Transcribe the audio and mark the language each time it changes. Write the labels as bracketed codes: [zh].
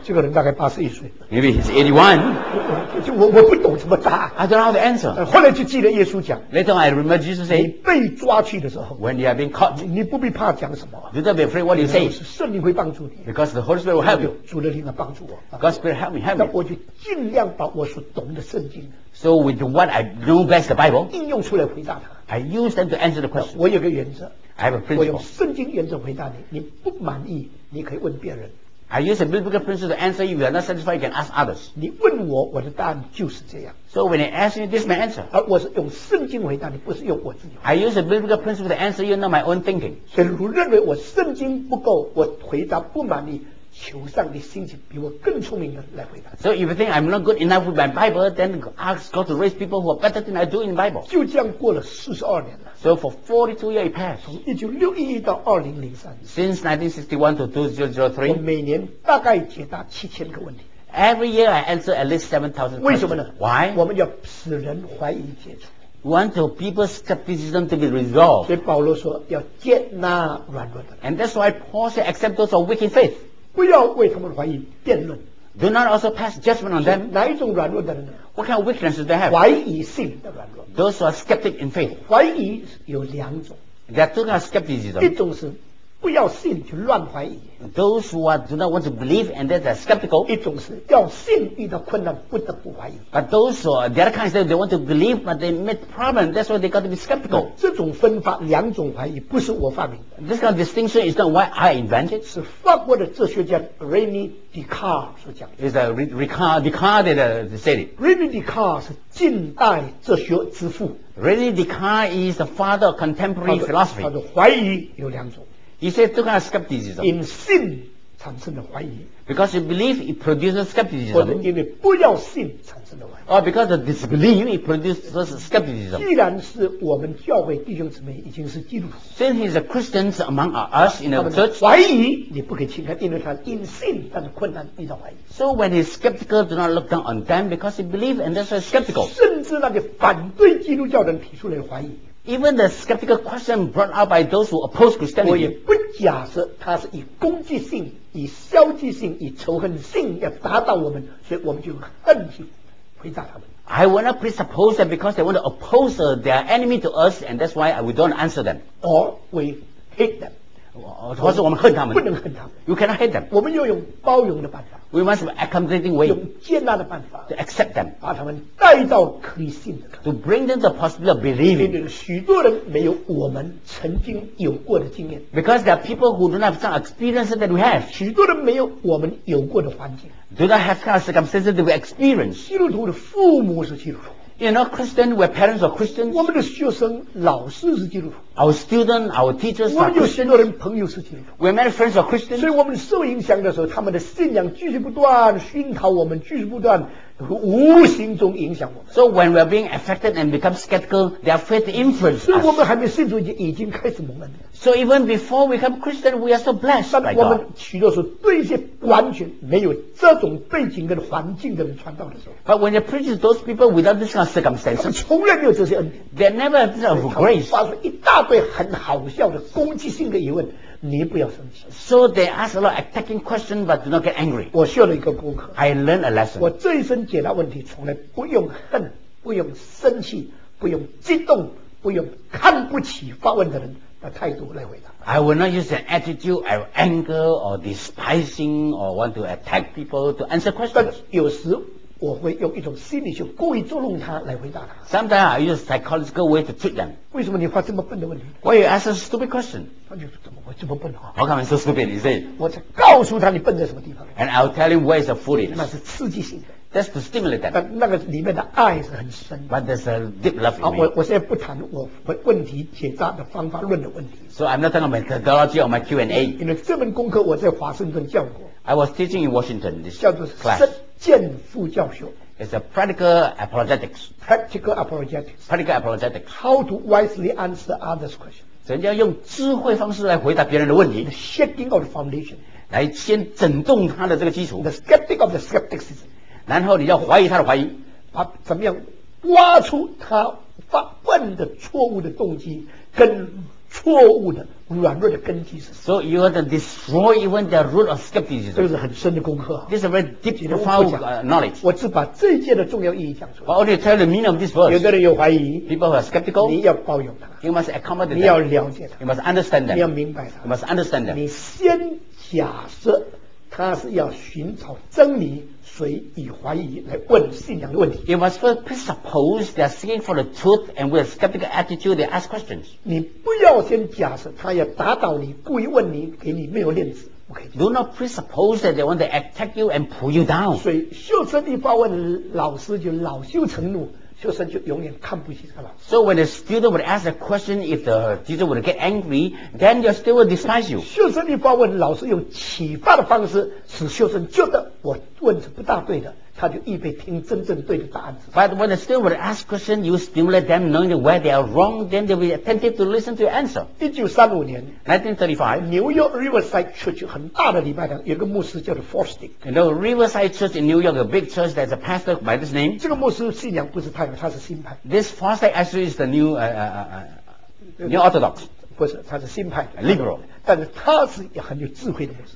[zh] 这个人大概81岁。 [en] Maybe he's 81. [zh] 我不懂怎么答。 [en] I don't know how to answer. [zh] 后来就记得耶稣讲。 [en] Later on, I remember Jesus saying. [zh] 你被抓去的时候。 [en] When you have been caught. [zh] 你不必怕讲什么。 [en] You don't be afraid what you say. [zh] 圣灵会帮助你。 [en] Because the Holy Spirit will help you. [zh] 主的灵来帮助我。 [en] Help me. [zh] 那我就尽量把我所懂的圣经 [en] So with what I know best the Bible [zh] 应用出来回答他 [en] I use them to answer the question [zh] 我有个原则 [en] I have a principle [zh] 我用圣经原则回答你你不满意你可以问别人 [en] I use a biblical principle to answer you If you are not satisfied you can ask others [zh] 你问我我的答案就是这样 [en] So when I ask you this is my answer [zh] 而我是用圣经回答你不是用我自己 [en] I use a biblical principle to answer you not my own thinking [zh] 所以如果认为我圣经不够我回答不满意求上帝兴起比我更聪明的来回答。 [en] So if you think I'm not good enough with my Bible, then ask God to raise people who are better than I do in the Bible. [zh] 就这样过了42年了。 [en] So for 42 years it passed. [zh] 从1961到2003。 [en] Since 1961 to 2003. [zh] 我每年大概解答7000个问题。 [en] Every year I answer at least 7,000. [zh] 为什么呢 [en] ？Why？ [zh] 我们要使人怀疑解除。 [en] Want to people's skepticism to be resolved. [zh] 所以保罗说要接纳软弱的。 [en] And that's why Paul said accept those of weak in faith. [zh] 不要为他们怀疑辩论。 [en] Do not also pass judgment on them. [zh] 哪一种软弱的人呢 [en] ？What kind of weakness do they have? [zh] 怀疑性的软弱。 [en] Those who are skeptic in faith. [zh] 怀疑有两种。 [en] There are two kinds of skepticism. [zh] 一种是不要信就乱怀疑。 [en] Those who are, do not want to believe and they are skeptical. [zh] 一种是要信遇到困难不得不怀疑。 [en] But those who are, the other kind is that they want to believe but they meet problem. That's why they got to be skeptical. [zh] 这种分法两种怀疑不是我发明的。 [en] This kind of distinction is not what I invented. [zh] 是法国的哲学家 René Descartes 所讲的。 [en] It's a Descartes that said it. [zh] René Descartes 是近代哲学之父。 [en] René Descartes is the father of contemporary philosophy. [zh] 他的怀疑有两种。 [en] He said two kinds of skepticism. In sin [zh] 产生的怀疑 [en] Because you believe it produces skepticism. [zh] 或者因为不要信产生的怀疑 [en] Or because of disbelief it produces skepticism. [zh] 既然是我们教会弟兄姊妹已经是基督徒 [en] Since he's a Christian among us in a church. [zh] 怀疑你不可轻看因为他 in sin 但是困难遇到怀疑 [en] So when he's skeptical do not look down on them because he believes and that's why skeptical. [zh] 甚至那个反对基督教人提出来的怀疑 [en] Even the skeptical question brought out by those who oppose Christianity. [zh] 我也不假设他是以攻击性、以消极性、以仇恨性要打倒我们，所以我们就恨去回答他们。 [en] I will not presuppose that because they want to oppose their enemy to us, and that's why we don't answer them. Or we hate them. [zh] 或是我们恨他们。不能恨他们。 [en] You cannot hate them. [zh] 我们要用包容的办法。 [en] We must have accommodating way. [zh] 用接纳的办法。 [en] To accept them. [zh] 把他们带到可以信的。 [en] To bring them the possibility of believing. [zh] 因为许多人没有我们曾经有过的经验。 [en] Because there are people who do not have some experiences that we have. [zh] 许多人没有我们有过的环境。 [en] Do not have some circumstances that we experience. [zh] 基督徒的父母是基督徒。 [en] You know, Christian, we're parents of Christians. [zh] 我们的学生老师是基督徒。 [en] Our student, our teachers. [zh] 我们有许多人朋友是基督徒。 [en] We're many friends of Christians. [zh] 所以我们受影响的时候，他们的信仰继续不断熏陶我们，继续不断无形中影响我们。 [en] So when we're being affected and become skeptical, their faith influences. [zh] 所以我们还没信主已经开始蒙恩。 [en] So even before we become Christian, we are so blessed. [zh] 但我们许多时候对一些完全没有这种背景跟环境的人传道的时候 [en] ，But when you preach to those people without this kind of circumstances, [zh] 他们从来没有这些恩典 [en] ，They never have this kind of grace. [zh] 发出一大堆很好笑的攻击性的疑问，你不要生气。 [en] So they ask a lot of attacking questions, but do not get angry. [zh] 我学了一个功课 [en] ，I learned a lesson. [zh] 我这一生解答问题从来不用恨，不用生气，不用激动，不用看不起发问的人。的态度来回答。 [en] I will not use an attitude of anger or despising or want to attack people to answer questions. [zh] 但有时我会用一种心理学故意捉弄他来回答他。 [en] Sometimes I use a psychological way to trick them. [zh] 为什么你发这么笨的问题 [en] ？Why you ask a stupid question? [zh] 他就怎么会这么笨啊 [en] ？How come I'm so stupid? Is it? [zh] 我在告诉他你笨在什么地方。 [en] And I'll tell him where is the foolishness. [zh] 那是刺激性的。 [en] That's to stimulate them. [zh] 但那个里面的爱是很深的。 [en] But there's a deep love in me. [zh] 我现在不谈我问题解答的方法论的问题。 [en] So I'm not talking about methodology or my Q&A. [zh] 因为这门功课我在华盛顿教过。 [en] I was teaching in Washington this class. [zh] 叫做实践副教授。 [en] It's a practical apologetics. Practical apologetics. Practical apologetics. How to wisely answer others' questions. [zh] 人家用智慧方式来回答别人的问题。 [en] The shaking of the foundation. [zh] 来先整动他的这个基础。 [en] The skeptic of the skepticism. [zh] 然后你要怀疑他的怀疑，把怎么样挖出他发问的错误的动机跟错误的软弱的根基是。 [en] So you have to destroy even the root of skepticism. [zh] 这是很深的功课。 [en] This is a very deep, profound knowledge. [zh] 我只把这一件的重要意义讲出来。 [en] But only tell the meaning of this verse. [zh] 有的人有怀疑 [en] ，people who are skeptical. [zh] 你要包容他。 [en] You must accommodate them. [zh] 你要了解他。 [en] You must understand them. [zh] 你要明白他。 [en] You must understand them. [zh] 你先假设他是要寻找真理。所以以怀疑来问信仰的问题。 [en] You must first presuppose they are seeking for the truth, and with a skeptical attitude, they ask questions. [zh] 你不要先假设他要打倒你，故意问你，给你没有面子。 [en] Okay. Do not presuppose that they want to attack you and pull you down. [zh] 所以修辞地发问，老师就恼羞成怒，学生就永远看不起他了。 [en] So when a student would ask a question, if the teacher would get angry, then your student would despise you. [zh] 学生一发问，老师用启发的方式使学生觉得我问是不大对的，他就预备听真正对的答案。 [en] But when a student would ask question, you stimulate them knowing where they are wrong, then they will be attentive to listen to your answer. [zh] 1935年 [en] ，1935， [zh] 纽约 Riverside Church 很大的礼拜堂，有个牧师叫做 Fosdick。 [en] You know Riverside Church in New York, a big church that's a pastor by this name. [zh] 这个牧师信仰不是太有，他是新派。 [en] This Fosdick actually is the new new Orthodox. [zh] 不是，他是新派的 [en] liberal. [zh] 但是他是也很有智慧的牧师。